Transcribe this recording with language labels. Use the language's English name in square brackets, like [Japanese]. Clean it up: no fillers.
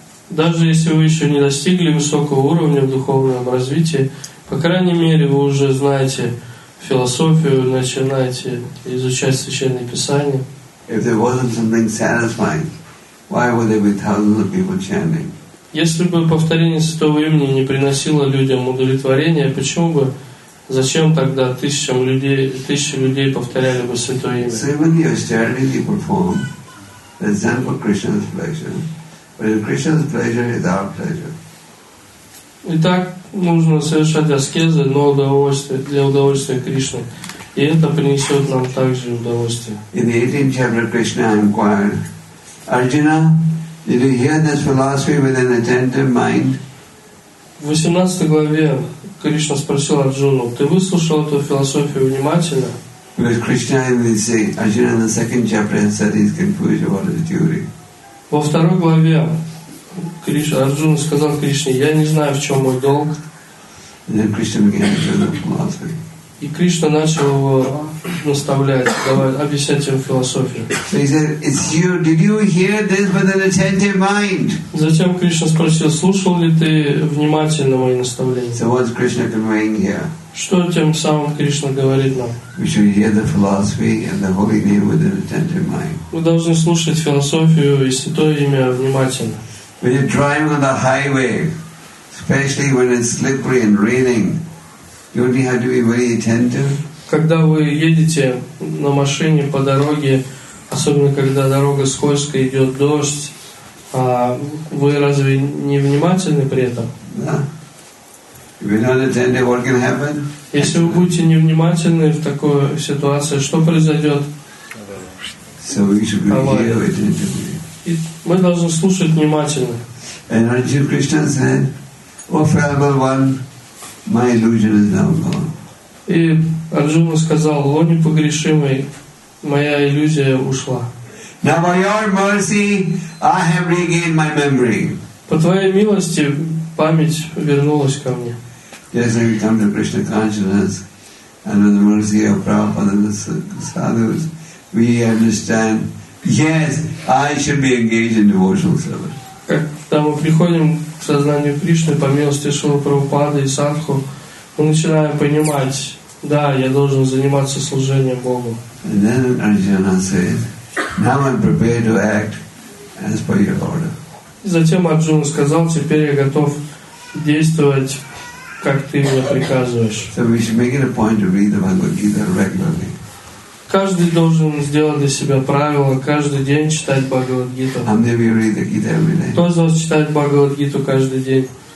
[Russian] Даже если вы еще не достигли высокого уровня в духовном развитии, по крайней мере, вы уже знаете философию, начинаете изучать Священное Писание. [English] If there wasn't something satisfying, why would there be thousands of people chanting? [Russian] Если бы повторение Святого Имени не приносило людям удовлетворения, почему бы, зачем тогда тысячи людей повторяли бы Святое Имя? [English] So when the austerities you perform, it's done for Krishna's pleasure. But if Krishna's pleasure is our pleasure. [Russian] Итак, нужно совершать аскезы, но для удовольствия Кришны. И это принесет нам также удовольствие. [English] In the 18th chapter, Krishna inquired, Arjuna, did you hear this philosophy with an attentive mind? [Russian] В 18 главе Кришна спросил Арджуну, ты выслушал эту философию внимательно? [English] Because Krishna in the same, Arjuna in the second chapter said he's confused about his duty. [Russian] Во второй главе Арджуна сказал Кришне, я не знаю, в чем мой долг. И Кришна начал его наставлять, давать, объяснять ему философию. [English] So he said, it's you. Did you hear this with an attentive mind? [Russian] Затем Кришна спросил, слушал ли ты внимательно мои наставления? [English] So what's Krishna conveying here? [Russian] Что тем самым Кришна говорит нам? Мы должны слушать философию и святое имя внимательно. [English] When you're driving on the highway, especially when it's slippery and raining, you only have to be very attentive. [Russian] Когда вы едете на машине по дороге, особенно когда дорога скользкая, идет дождь, вы разве не внимательны при этом? [English] If you're not attentive, what can happen? [Russian] Если вы будете невнимательны в такой ситуации, что произойдет? [English] So we should be very attentive. [Russian] Мы должны слушать внимательно. [English] And Arjuna Krishna said, "O fallible one, my illusion is now gone." [Russian] И Арджуна сказал: "О непогрешимый, моя иллюзия ушла." [English] Now by your mercy, I have regained my memory. [Russian] По твоей милости память вернулась ко мне. [English] Just like we come to Krishna consciousness, under the mercy of Prabhupada and the sadhus, we understand. Yes, I should be engaged in devotional service. [Russian] Когда мы приходим к сознанию Кришны по милости Шрилы Прабхупады и Садху, мы начинаем понимать: да, я должен заниматься служением Богу. [English] And then Arjuna said, "Now I'm prepared to act as per your order." [Russian] И затем Арджуна сказал: теперь я готов действовать, как ты мне приказываешь. [English] So we should make it a point to read the Bhagavad Gita regularly. [Russian] Каждый должен сделать для себя правило каждый день читать Бхагавад-гиту. Кто из вас читает Бхагавад-гиту каждый день?